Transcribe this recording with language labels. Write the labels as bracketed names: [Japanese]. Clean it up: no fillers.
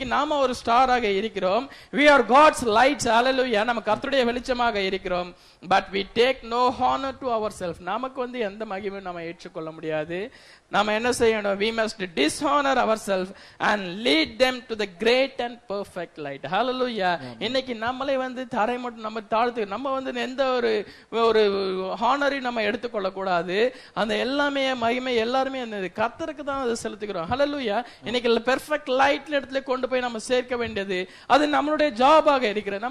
[Tamil] இன்னைக்கு நாம ஒரு ஸ்டாராக இருக்கிறோம். [English] We are God's lights. [Tamil] Hallelujah. நாம கர்த்தருடைய வெளிச்சமாக இருக்கிறோம். [English] But we take no honor to ourselves. [Tamil] நமக்கு வந்து எந்த மகிமையும் நாம ஏற்றுக்கொள்ள முடியாது. நாம என்ன செய்யணும், [English] we must dishonor ourselves and lead them to the great and perfect light. Hallelujah. [Tamil] இன்னைக்கு நம்மளே வந்து தரை மட்டும் நம்ம தாழ்த்து நம்ம வந்து எந்த ஒரு ஒரு ஹானரையும் நம்ம எடுத்துக்கொள்ள கூடாது. அந்த எல்லாமே மகிமை எல்லாருமே அந்த கர்த்தருக்கு தான் அதை செலுத்துகிறோம். Hallelujah. இன்னைக்கு பெர்ஃபெக்ட் லைட் இடத்துல கொண்டு போய் நம்ம சேர்க்க வேண்டியது அது நம்மளுடைய ஜாபாக இருக்கிறது.